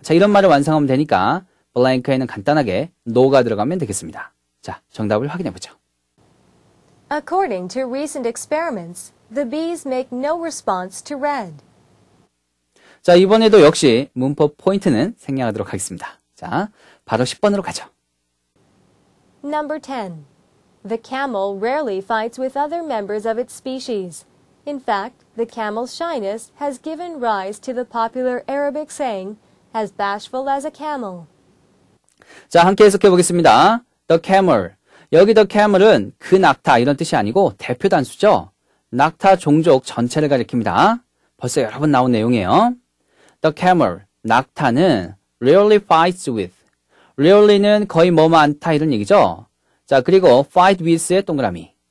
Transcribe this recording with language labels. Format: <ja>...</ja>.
<ko>자, 이런 말을 완성하면 되니까 blank에는 간단하게 no가 들어가면 되겠습니다. 자, 정답을 확인해 보죠.</ko> <en>According to recent experiments, the bees make no response to red.</en> <ko>자, 이번에도 역시 문법 포인트는 생략하도록 하겠습니다. 자, 바로 10번으로 가죠.</ko> <en>Number 10. The camel rarely fights with other members of its species. In fact, the camel's shyness has given rise to the popular Arabic saying, as bashful as a camel.</en> <ko>자, 함께 해석해 보겠습니다.</ko> <en>The camel.</en> <ko>여기</ko> <en>the camel</en> <ko>은 그 낙타 이런 뜻이 아니고 대표 단수죠. 낙타 종족 전체를 가리킵니다. 벌써 여러 번 나온 내용이에요.</ko> <en>The camel,</en> <ko>낙타는</ko> <en>rarely fights with.</en> <ko>rarely는 거의 뭐뭐 않다 이런 얘기죠. 자, 그리고</ko> <en>fight with</en> <ko>의 동그라미.</ko>